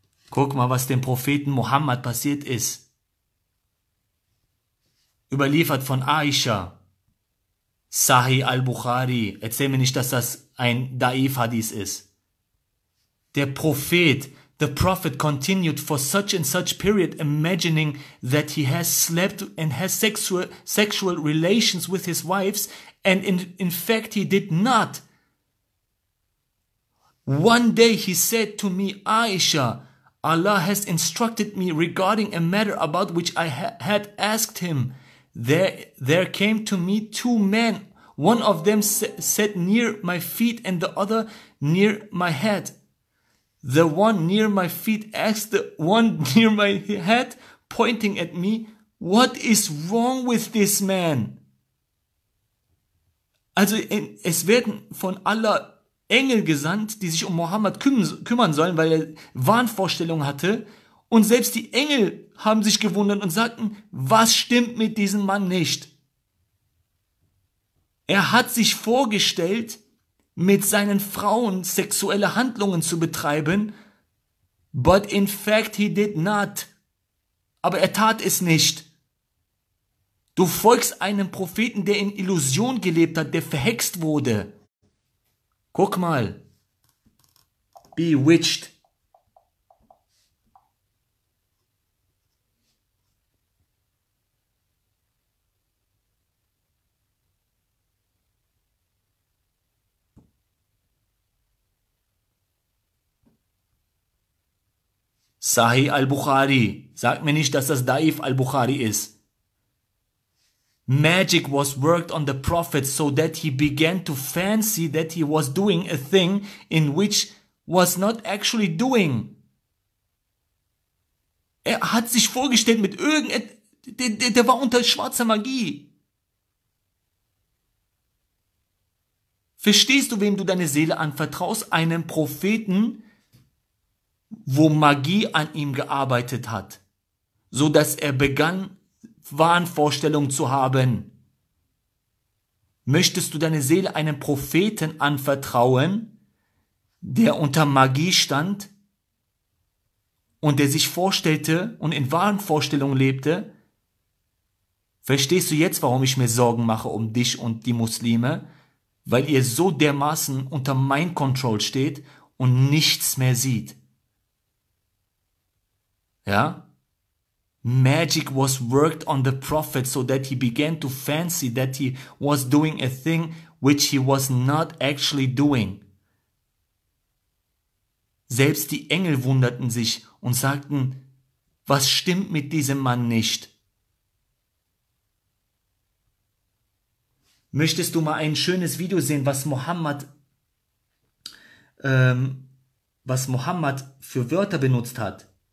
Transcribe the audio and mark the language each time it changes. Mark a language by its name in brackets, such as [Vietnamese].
[German] Guck mal, was dem Propheten Mohammed passiert ist. Überliefert von Aisha. Sahih al-Bukhari, erzähl mir nicht, dass das ein Daif-Hadith ist. Der Prophet, [English] the Prophet continued for such and such period imagining that he has slept and has sexual relations with his wives and in fact he did not. One day he said to me, Aisha, Allah has instructed me regarding a matter about which I had asked him. There came to me two men. One of them sat near my feet and the other near my head. The one near my feet asked the one near my head, pointing at me, "What is wrong with this man?" [German] Also, es werden von Allah Engel gesandt, die sich um Mohammed kümmern sollen, weil er Wahnvorstellungen hatte. Und selbst die Engel haben sich gewundert und sagten, was stimmt mit diesem Mann nicht? Er hat sich vorgestellt, mit seinen Frauen sexuelle Handlungen zu betreiben, [English] but in fact he did not. [German] Aber er tat es nicht. Du folgst einem Propheten, der in Illusion gelebt hat, der verhext wurde. Guck mal. Bewitched. Sahih al-Bukhari. Sag mir nicht, dass das Daif al-Bukhari ist. [English] Magic was worked on the prophet so that he began to fancy that he was doing a thing in which was not actually doing. [German] Er hat sich vorgestellt mit irgendetwas. Der war unter schwarzer Magie. Verstehst du, wem du deine Seele anvertraust? Einem Propheten, wo Magie an ihm gearbeitet hat, so dass er begann, Wahnvorstellungen zu haben. Möchtest du deine Seele einem Propheten anvertrauen, der unter Magie stand und der sich vorstellte und in Wahnvorstellungen lebte? Verstehst du jetzt, warum ich mir Sorgen mache um dich und die Muslime? Weil ihr so dermaßen unter Mind Control steht und nichts mehr sieht. Ja? [English] Magic was worked on the prophet so that he began to fancy that he was doing a thing which he was not actually doing. [German] Selbst die Engel wunderten sich und sagten, was stimmt mit diesem Mann nicht? Möchtest du mal ein schönes Video sehen, was Mohammed für Wörter benutzt hat?